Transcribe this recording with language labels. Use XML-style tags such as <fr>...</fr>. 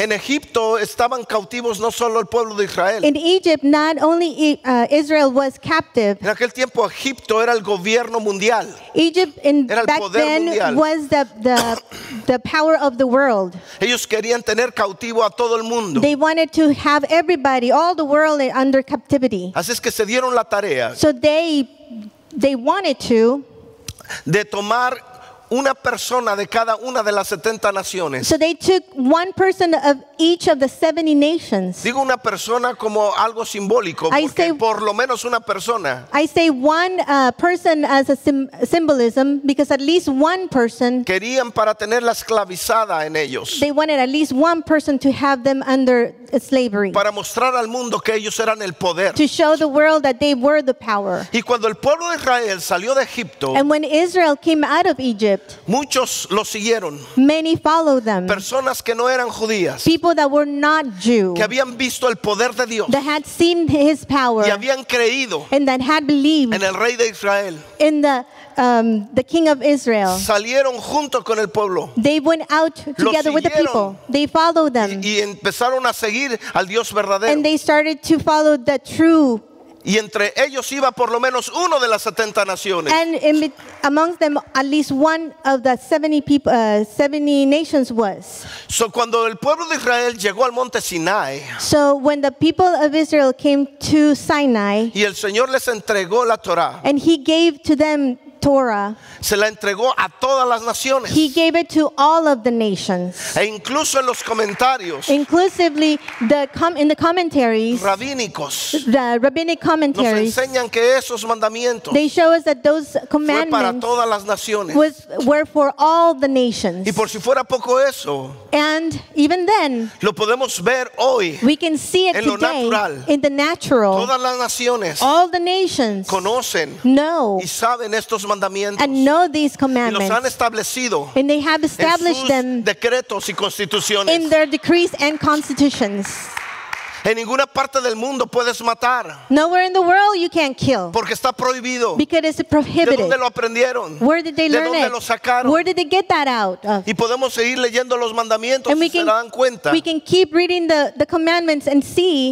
<es>En Egipto estaban cautivos no solo el pueblo de Israel.</es> <en>In Egypt, not only Israel was captive.</en> <es>En aquel tiempo, Egipto era el gobierno mundial.</es> <en>Egypt in back then was the power of the world.</en> <es>Ellos querían tener cautivo a todo el mundo.</es> <en>They wanted to have everybody, all the world, under captivity.</en> <es>Así es que se dieron la tarea.</es> <en>So they wanted to.</en> <es>De tomar una persona de cada una de las 70 naciones.</es> <en>So they took one person of each of the 70 nations.</en> <es>Digo una persona como algo simbólico, porque say, por lo menos una persona.</es> <en>I say one person as a symbolism because at least one person.</en> <es>Querían para tenerla esclavizada en ellos.</es> <en>They wanted at least one person to have them under slavery.</en> <es>Para mostrar al mundo que ellos eran el poder.</es> <en>To show the world that they were the power.</en> <es>Y cuando el pueblo de Israel salió de Egipto,</es> <en>and when Israel came out of Egypt,</en> <es>muchos lo siguieron.</es> <en>Many followed them.</en> <es>Personas que no eran judías.</es> <en>People that were not Jew.</en> <es>Que habían visto el poder de Dios.</es> <en>That had seen his power.</en> <es>Y habían creído.</es> <en>And that had believed.</en> <es>En el rey de Israel.</es> <en>In the king of Israel.</en> <es>Salieron junto con el pueblo.</es> <en>They went out together with the people. They followed them.</en> <es>Y empezaron a seguir al Dios verdadero.</es> <en>And they started to follow the true.</en> <es>Y entre ellos iba por lo menos uno de las 70 naciones.</es> <en>And in amongst them at least one of the 70 people 70 nations was.</en> <es>So cuando el pueblo de Israel llegó al monte Sinai.</es> <en>So when the people of Israel came to Sinai.</en> <es>Y el Señor les entregó la Torá.</es> <en>And he gave to them Torah.</en> <es>Se la entregó a todas las naciones.</es> <en>He gave it to all of the nations.</en> <es>E incluso en los comentarios.</es> <en>Inclusively in the commentaries.</en> <es>Rabínicos.</es> <en>The rabbinic commentaries.</en> <es>Nos enseñan que esos mandamientos.</es> <en>They show us that those commandments.</en> <es>Fue para todas las naciones.</es> <en>Were for all the nations.</en> <es>Y por si fuera poco eso.</es> <en>And even then.</en> <es>Lo podemos ver hoy.</es> <en>We can see it</en> <es>en</es> <en>today.</en> <es>Lo natural.</es> <en>In the natural.</en> <es>Todas las naciones.</es> <en>All the nations.</en> <es>Conocen.</es> <en>Know.</en> <es>Y saben esto.</es> <en>And know these commandments.</en> <es>Y los han establecido,</es> <en>and they have established</en> <es>en sus decretos y</es> <en>constituciones. In their decrees and constitutions.</en> <es>En ninguna parte del mundo puedes matar.</es> <en>Nowhere in the world you can't kill.</en> <es>Porque está prohibido.</es> <en>Because it's prohibited.</en> <es>¿De dónde lo aprendieron?</es> <en>Where did they learn</en> <es>it? ¿De dónde</es> <en>it?</en> <es>Lo sacaron?</es> <en>Where did they get that out of?</en> <es>Y podemos seguir leyendo los mandamientos y se dan cuenta.</es> <en>We can keep reading the commandments and see.</en>